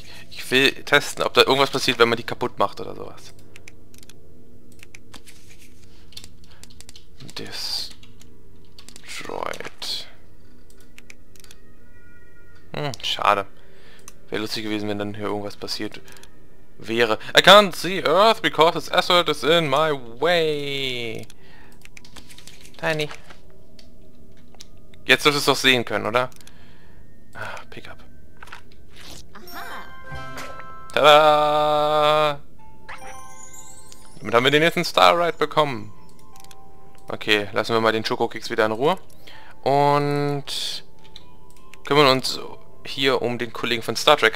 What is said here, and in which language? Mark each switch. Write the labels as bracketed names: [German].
[German] Ich will testen, ob da irgendwas passiert, wenn man die kaputt macht oder sowas. [English] Destroyed. [German] Schade. Wäre lustig gewesen, wenn dann hier irgendwas passiert wäre. [English] I can't see Earth because this asteroid is in my way. Tiny. [German] Jetzt solltest du es doch sehen können, oder? [English] Ah, pick up. [German] Tada! Damit haben wir den nächsten Star Ride bekommen. Okay, lassen wir mal den Schokokeks wieder in Ruhe. Und kümmern uns hier um den Kollegen von Star Trek.